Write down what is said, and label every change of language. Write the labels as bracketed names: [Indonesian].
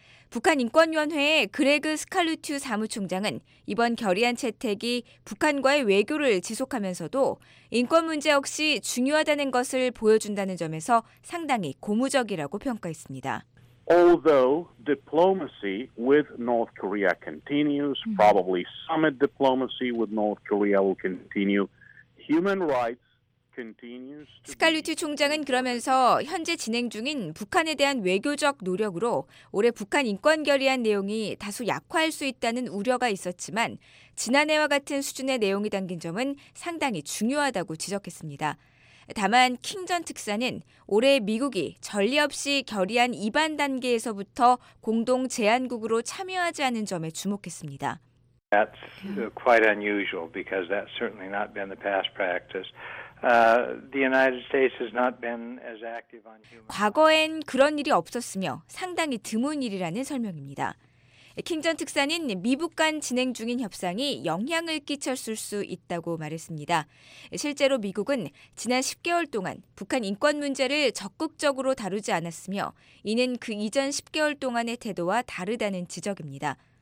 [Korean] 북한인권위원회의 그레그 스칼루튜 사무총장은 이번 결의안 채택이 북한과의 외교를 지속하면서도 인권 문제 역시 중요하다는 것을 보여준다는 점에서 상당히 고무적이라고 평가했습니다. [English] Although diplomacy with North Korea continues, probably summit diplomacy with North Korea will continue. Human rights [Korean] 스칼루트 총장은 그러면서 현재 진행 중인 북한에 대한 외교적 노력으로 올해 북한 인권 결의안 내용이 다소 약화할 수 있다는 우려가 있었지만 지난해와 같은 수준의 내용이 담긴 점은 상당히 중요하다고 지적했습니다. 다만 킹 전 특사는 올해 미국이 전례 없이 결의안 이반 단계에서부터 공동 제안국으로 참여하지 않은 점에 주목했습니다. [English] That's quite unusual because that's certainly not been the past practice. The United States has not been as active on human rights. [Korean] 과거엔 그런 일이 없었으며 상당히 드문 일이라는 설명입니다. 킹 전 특사는 미북 간 진행 중인 협상이 영향을 끼쳤을 수 있다고 말했습니다. 실제로 미국은 지난 10개월 동안 북한 인권 문제를 적극적으로 다루지 않았으며 이는 그 이전 10개월 동안의 태도와 다르다는 지적입니다.